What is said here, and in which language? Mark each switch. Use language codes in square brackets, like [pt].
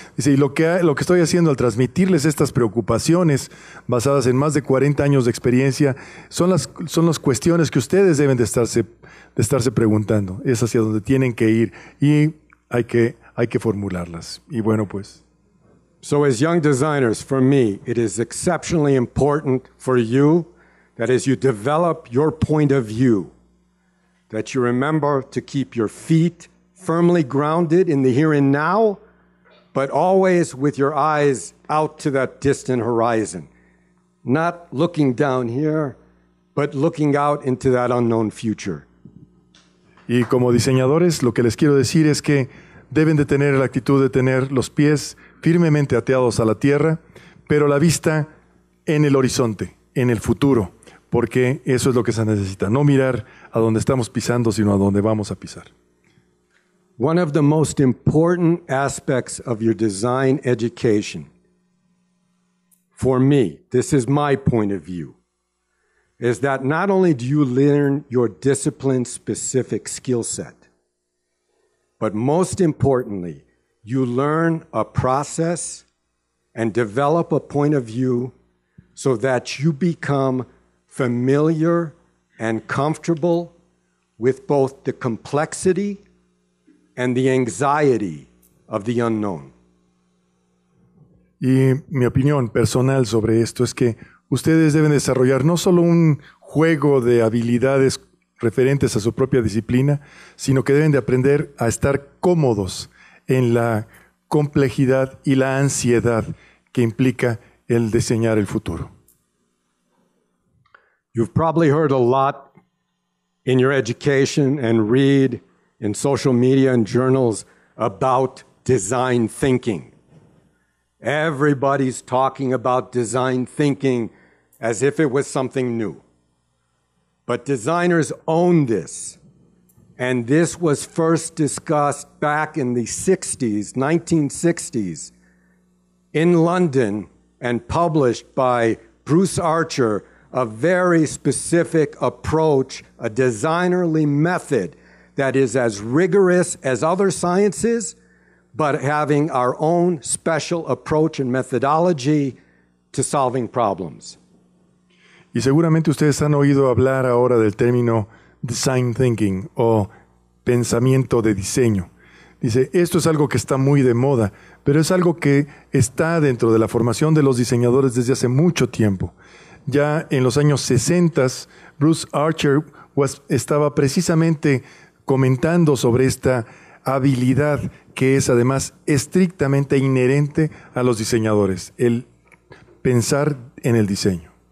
[es] Dice, y lo que estoy haciendo al transmitirles estas preocupaciones basadas en más de 40 años de experiencia son las cuestiones que ustedes deben de estarse preguntando. Es hacia donde tienen que ir y hay que formularlas. Y bueno, pues. [en] So as young designers, for me, it is exceptionally important for you that as you develop your point of view, that you remember to keep your feet firmly grounded in the here and now, but always with your eyes out to that distant horizon. Not looking down here, but looking out into that unknown future. [es] Y como diseñadores, lo que les quiero decir es que deben de tener la actitud de tener los pies firmemente ateados a la tierra, pero la vista en el horizonte, en el futuro. Porque eso es lo que se necesita, no mirar a donde estamos pisando, sino a donde vamos a pisar. [en] One of the most important aspects of your design education, for me, this is my point of view, is that not only do you learn your discipline-specific skill set, but most importantly, you learn a process and develop a point of view so that you become familiar and comfortable with both the complexity and the anxiety of the unknown. [es] Y mi opinión personal sobre esto es que ustedes deben desarrollar no solo un juego de habilidades referentes a su propia disciplina, sino que deben de aprender a estar cómodos en la complejidad y la ansiedad que implica el diseñar el futuro. [en] You've probably heard a lot in your education and read in social media and journals about design thinking. Everybody's talking about design thinking as if it was something new. But designers own this. And this was first discussed back in the 1960s in London and published by Bruce Archer, a very specific approach, a designerly method that is as rigorous as other sciences, but having our own special approach and methodology to solving problems. [es] Y seguramente ustedes han oído hablar ahora del término design thinking o pensamiento de diseño. Dice, esto es algo que está muy de moda, pero es algo que está dentro de la formación de los diseñadores desde hace mucho tiempo. Ya en los años 60, Bruce Archer estaba precisamente comentando sobre esta habilidad que es además estrictamente inherente a los diseñadores, el pensar en el diseño.